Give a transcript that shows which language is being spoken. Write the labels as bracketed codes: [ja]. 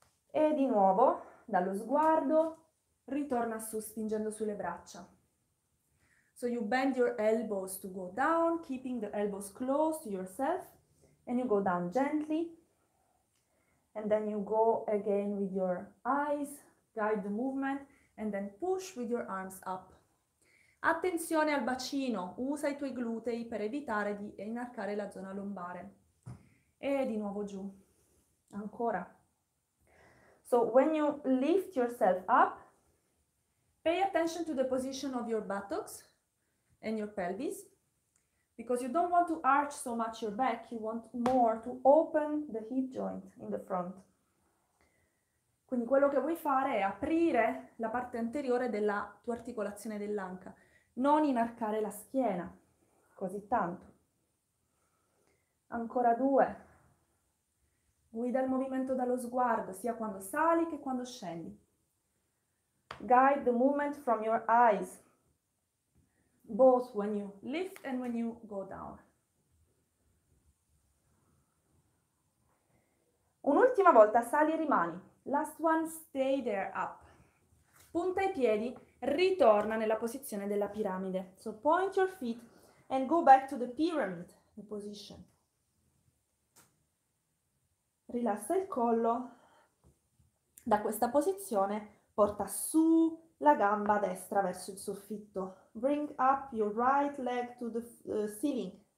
[it] E di nuovo, dallo sguardo, ritorna su, spingendo sulle braccia. [en] So you bend your elbows to go down, keeping the elbows close to yourself, and you go down gently, and then you go again with your eyes, guide the movement, and then push with your arms up. [it] Attenzione al bacino, usa i tuoi glutei per evitare di inarcare la zona lombare. E di nuovo giù, ancora. [en] So when you lift yourself up, pay attention to the position of your buttocks and your pelvis, because you don't want to arch so much your back, you want more to open the hip joint in the front. [it] Quindi quello che vuoi fare è aprire la parte anteriore della tua articolazione dell'anca, non inarcare la schiena così tanto. Ancora due. Guida il movimento dallo sguardo, sia quando sali che quando scendi. [en] Guide the movement from your eyes, both when you lift and when you go down. [it] Un'ultima volta, sali e rimani. [en] Last one, stay there up. [it] Punta i piedi, ritorna nella posizione della piramide. [en] So point your feet and go back to the pyramid, the position. [it] Rilassa il collo. Da questa posizione porta su la gamba destra verso il soffitto. [en] Bring up your right leg to the ceiling.